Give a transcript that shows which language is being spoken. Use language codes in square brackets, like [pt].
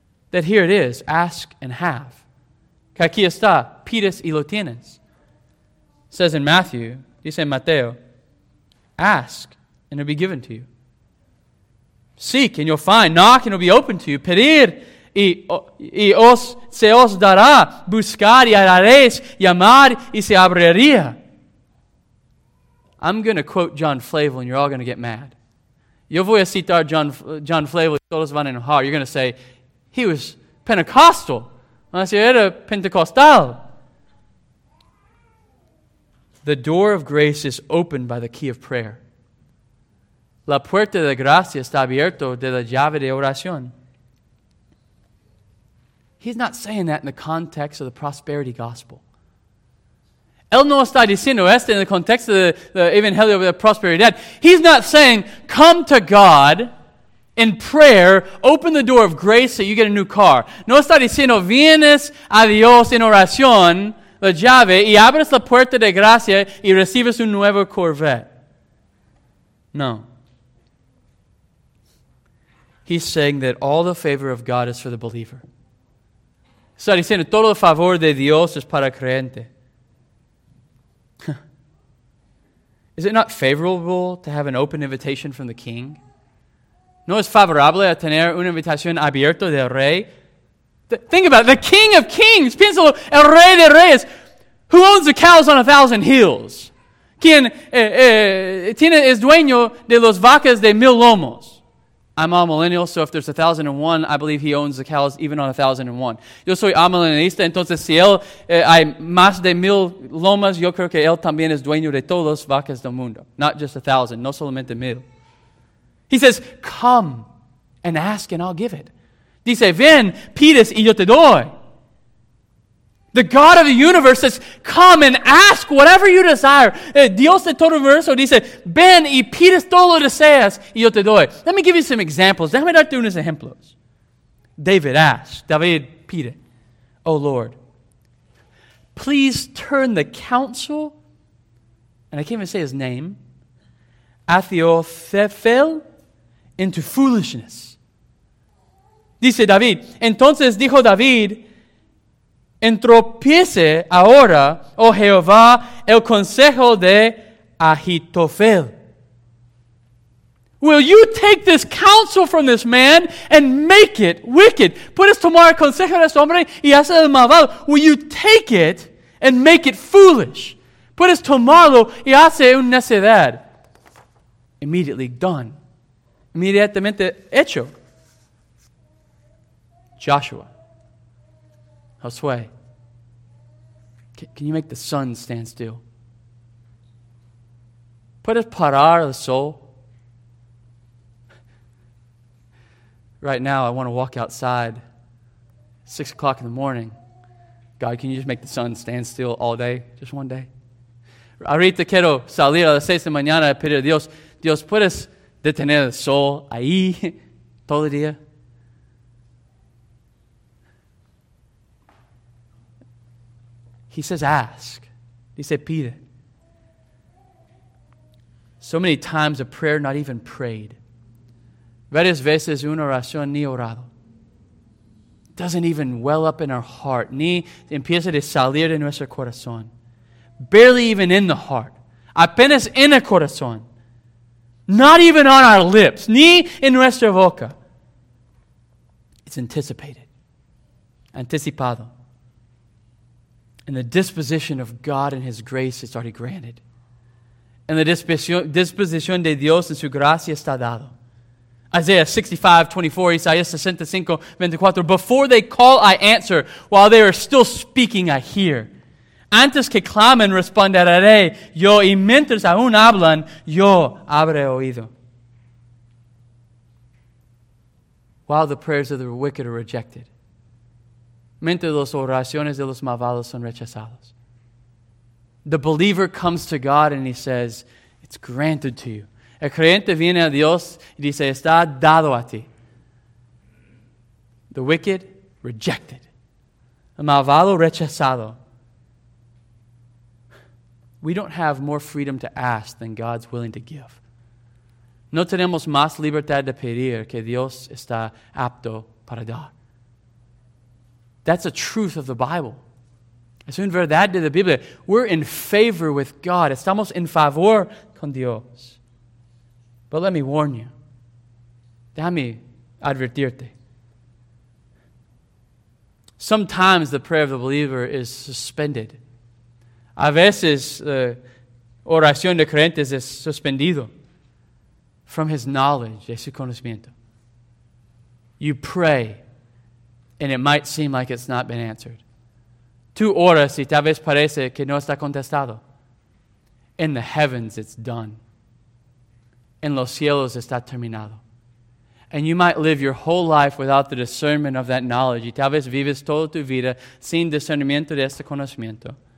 [en] That here it is, ask and have. [es] Que aquí está, pides y lo tienes. [en] It says in Matthew, [es] dice en Mateo, [en] ask and it'll be given to you. Seek and you'll find. Knock and it'll be open to you. [es] Pedir y os se os dará. Buscar y hallaréis. Llamar y se abriría. [en] I'm going to quote John Flavel and you're all going to get mad. [es] Yo voy a citar John Flavel y todos van a enojar. [en] You're going to say, he was Pentecostal. [es] Así era Pentecostal. [en] The door of grace is opened by the key of prayer. [es] La puerta de gracia está abierta de la llave de oración. [en] He's not saying that in the context of the prosperity gospel. [es] Él no está diciendo esto en el contexto de la Evangelio de la Prosperidad. [en] He's not saying, come to God in prayer, open the door of grace so you get a new car. [es] No está diciendo, vienes a Dios en oración, la llave, y abres la puerta de gracia y recibes un nuevo Corvette. No. [en] He's saying that all the favor of God is for the believer. [es] Está diciendo, todo el favor de Dios es para el creyente. [en] Is it not favorable to have an open invitation from the king? [es] ¿No es favorable a tener una invitación abierta del rey? [en] Think about it. The king of kings. [es] Piénsalo. El rey de reyes. [en] Who owns the cows on 1,000 hills? [es] ¿Quién es dueño de los vacas de 1,000 lomos? [en] I'm amillennial, so if there's 1,001, I believe he owns the cows even on 1,001. [es] Yo soy amillennialista, entonces si él hay más de 1,000 lomas, yo creo que él también es dueño de todas las vacas del mundo. [en] Not just 1,000, [es] no solamente 1,000. [en] He says, come and ask and I'll give it. [es] Dice, ven, pides y yo te doy. [en] The God of the universe says, come and ask whatever you desire. [es] Dios de todo universo dice, ven y pides todo lo deseas y yo te doy. [en] Let me give you some examples. [es] Déjame darte unos ejemplos. [en] David asked, [es] David pide, [en] oh Lord, please turn the counsel, and I can't even say his name, Ahithophel, into foolishness. [es] Dice David, entonces dijo David, entropiece ahora, oh Jehová, el consejo de Ahitofel. [en] Will you take this counsel from this man and make it wicked? [es] Puedes tomar el consejo de este hombre y hacer el malvado. [en] Will you take it and make it foolish? [es] Puedes tomarlo y hacer una necedad. [en] Immediately done. [es] Inmediatamente hecho. [en] Joshua. Josué. Can you make the sun stand still? [es] ¿Puedes parar el sol? [en] Right now, I want to walk outside. 6 o'clock in the morning. God, can you just make the sun stand still all day? Just one day? [es] Ahorita quiero salir a las 6 de la mañana y pedir a Dios. Dios, ¿puedes detener el sol ahí todo el día? [en] He says, ask. He said, [es] pide. [en] So many times a prayer not even prayed. [es] Varias veces una oración ni orado. [en] Doesn't even well up in our heart. [es] Ni empieza de salir de nuestro corazón. [en] Barely even in the heart. [es] Apenas en el corazón. [en] Not even on our lips. [es] Ni en nuestra boca. [en] It's anticipated. [es] Anticipado. [en] And the disposition of God and His grace is already granted. And the [es] disposición de Dios en su gracia está dado. [en] Isaiah 65:24, Isaiah 65:24. Before they call, I answer. While they are still speaking, I hear. [es] Antes que clamen, responderé yo. Y mientras aún hablan, yo habré oído. [en] While the prayers of the wicked are rejected. [es] Mientras las oraciones de los malvados son rechazadas. [en] The believer comes to God and he says, it's granted to you. [es] El creyente viene a Dios y dice, está dado a ti. [en] The wicked, rejected. [es] El malvado, rechazado. [en] We don't have more freedom to ask than God's willing to give. [es] No tenemos más libertad de pedir que Dios está apto para dar. [en] That's a truth of the Bible. [es] Es una verdad de la Biblia. [en] We're in favor with God. [es] Estamos en favor con Dios. [en] But let me warn you. [es] Déjame advertirte. [en] Sometimes the prayer of the believer is suspended. [es] A veces la oración de creyentes es suspendido [en] from his knowledge, [es] de su conocimiento. [en] You pray. And it might seem like it's not been answered. [es] Tú oras y tal vez parece que no está contestado. [en] In the heavens, it's done. [es] En los cielos, está terminado. [en] And you might live your whole life without the discernment of that knowledge. [es] Y tal vez vives toda tu vida sin discernimiento de este conocimiento.